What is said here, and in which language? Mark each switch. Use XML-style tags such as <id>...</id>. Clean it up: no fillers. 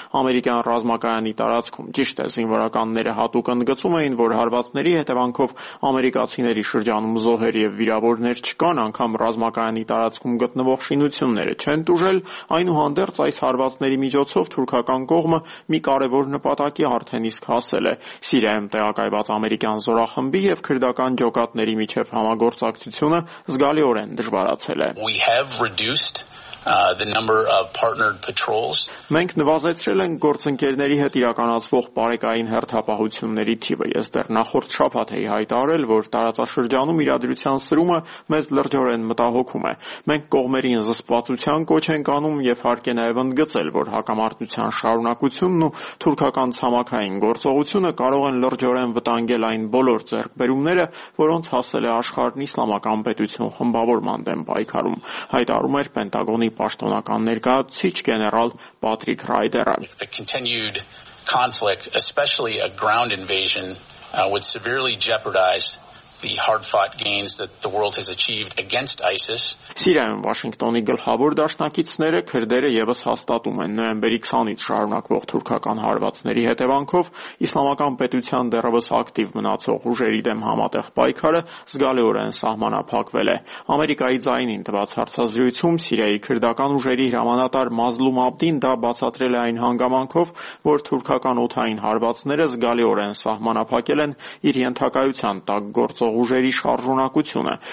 <hy>ամերիկյան ռազմակայանի տարածքում։ Ճիշտ է, զինվորականները հատուկ ընդգծում էին, որ հարվածների հետևանքով ամերիկացիների շրջանում զոհեր և վիրավորներ չկան, անգամ ռազմակայանի տարածքում գտնվող շինությունները չեն տուժել, այնուհանդերձ այս հարվածների միջոցով թուրքական կողմը մի կարևոր նպատակի արդեն իսկ հասել է. Սիրիայում տեղակայված ամերիկյան զորախմբի և քրդական ջոկատների միջև համագործակցությունը զգալիորեն դժվարացել է։</hy> <en>The number of partnered patrols.</en> <hy>Մենք նվազեցրել ենք գործընկերների հետ իրականացվող բարեկային հերթապահությունների թիվը։ Ես դեռ նախորդ շաբաթ էի հայտարել, որ տարածաշրջանում իրադրության սրումը մեզ լրջորեն մտահոգում է։ Մենք կողմերին զսպվածության կոչ ենք անում և հարկ է նաև ընդգծել, որ հակամարտության շարունակությունն ու թուրքական ցամաքային գործողությունը կարող են լրջորեն վտանգել այն բոլոր ձեռքբերումները, որոնց հասել է աշխարհն իսլամական պետություն խմբավորման դեմ պայքարում, հայտարում էր Պենտագոնը պաշտոնական ներկայացուցիչ գեներալ Պատրիկ Ռայդերը։</hy> <en>The continued conflict, especially a ground invasion, would severely jeopardize the hard-fought gains that the world has achieved against ISIS.</en> <hy>Սիրիայում Վաշինգտոնի գլխավոր դաշնակիցները քրդերը եւս հաստատում են նոյեմբերի 20-ից շարունակվող թուրքական հարվածների հետևանքով իսլամական պետության դեռևս ակտիվ մնացող ուժերի դեմ համատեղ պայքարը զգալիորեն սահմանափակվել է։ Ամերիկայի ձայնին տված հարցազրույցում Սիրիայի քրդական ուժերի հրամանատար Մազլում Աբդին դա բացատրել է այն հանգամանքով, որ թուրքական օթային հարվածները զգալիորեն սահմանափակել են իր ենթակայության տակ գործող ուժերի շարժունակությունը,</hy>